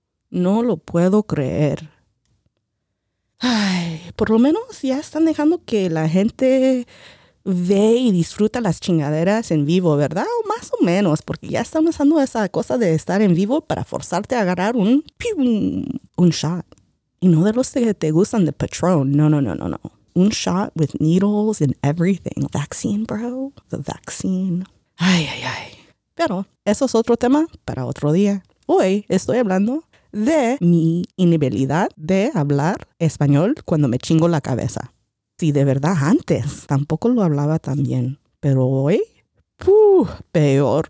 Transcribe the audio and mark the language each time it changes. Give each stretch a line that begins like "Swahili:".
Spanish: No lo puedo creer. Ay, por lo menos ya están dejando que la gente ve y disfruta las chingaderas en vivo, ¿verdad? O más o menos, porque ya están usando esa cosa de estar en vivo para forzarte a agarrar un shot. Y no de los que te gustan de Patrón. No. Un shot
English: with needles and everything. Vaccine, bro. The vaccine.
Spanish: Ay, ay, ay. Pero eso es otro tema para otro día. Hoy estoy hablando de mi inhabilidad de hablar español cuando me chingo la cabeza. Sí, de verdad, antes tampoco lo hablaba tan bien. Pero hoy, peor.